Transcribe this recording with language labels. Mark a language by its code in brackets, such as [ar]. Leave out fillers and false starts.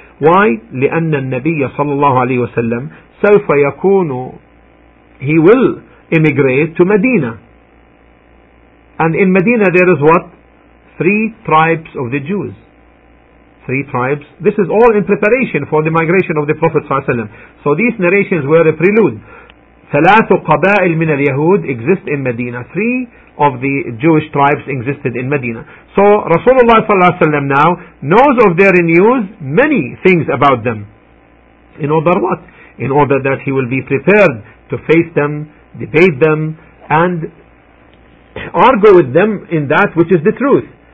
[en] Why? [ar] لِأَنَّ النَّبِيَّ صَلَى اللَّهُ عَلَيْهِ وَسَلَّمْ سَوْفَ يَكُونُ [en] He will immigrate to Medina. And in Medina there is what? Three tribes of the Jews. Three tribes. This is all in preparation for the migration of the Prophet sallallahu alayhi wa sallam. So these narrations were a prelude. [ar] ثلاث قبائل من اليهود [en] exist in Medina. Three of the Jewish tribes existed in Medina. So Rasulullah sallallahu alayhi wa sallam now knows of their news many things about them. In order what? In order that he will be prepared to face them, debate them, and argue with them in that which is the truth.